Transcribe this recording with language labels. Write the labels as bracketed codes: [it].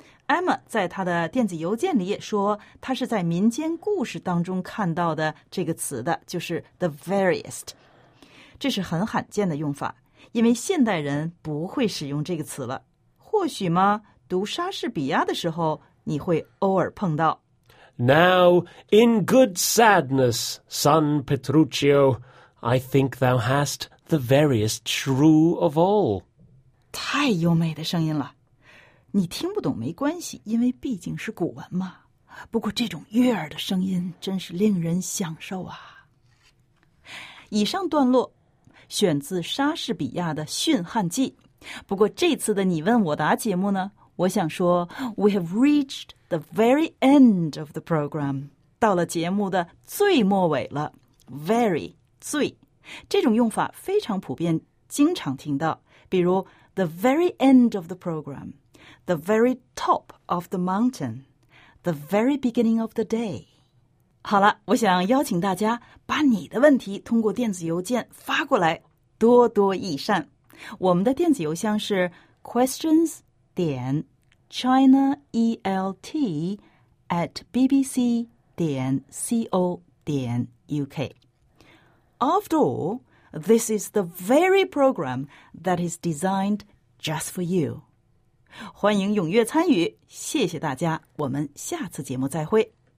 [zh] Emma 在她的电子邮件里也说，她是在民间故事当中看到的这个词的，就是 the veriest。这是很罕见的用法，因为现代人不会使用这个词了。或许吗？读莎士比亚的时候，你会偶尔碰到。 [en] Now, in good sadness, son Petruchio, I think thou hast the veriest shrew of all. [zh] 太优美的声音了。你听不懂没关系，因为毕竟是古文嘛。不过这种悦耳的声音真是令人享受啊。以上段落选自莎士比亚的《驯悍记》。不过这次的你问我答节目呢，我想说 [en] We have reached the very end of the program. [zh] 到了节目的最末尾了。Very, 最。这种用法非常普遍，经常听到。比如 [en] The very end of the program. the very top of the mountain, the very beginning of the day. [zh] 好了，我想邀请大家把你的问题通过电子邮件发过来，多多益善。我们的电子邮箱是 questions.chinaelt@bbc.co.uk. [en] After all, this is the very program that is designed just for you. [zh] 欢迎踊跃参与，谢谢大家，我们下次节目再会。